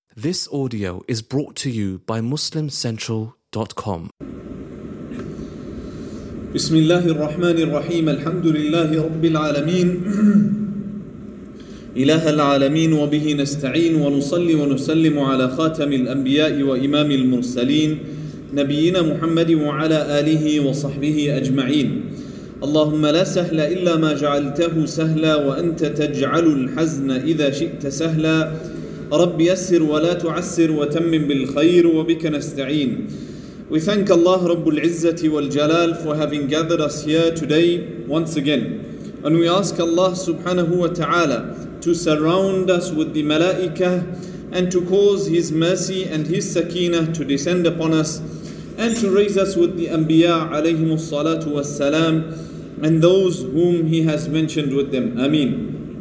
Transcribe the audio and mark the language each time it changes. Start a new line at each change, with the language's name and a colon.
English: This audio is brought to you by MuslimCentral.com.
Arabic: بسم الله الرحمن الرحيم الحمد لله رب العالمين إله العالمين وبه نستعين ونصلي ونسلم على خاتم الأنبياء وإمام المرسلين نبينا محمد وعلى آله وصحبه أجمعين اللهم لا سهل إلا ما جعلته سهلا وأنت تجعل الحزن إذا شئت سهلا رب يسر ولا تعسر وتمم بالخير وبك نستعين.
English: We thank Allah Rabbul Izzati wal Jalal for having gathered us here today once again. And we ask Allah subhanahu wa ta'ala to surround us with the malaika and to cause His mercy and His sakinah to descend upon us and to raise us with the anbiya alayhimu salatu wa salam and those whom He has mentioned with them. Ameen.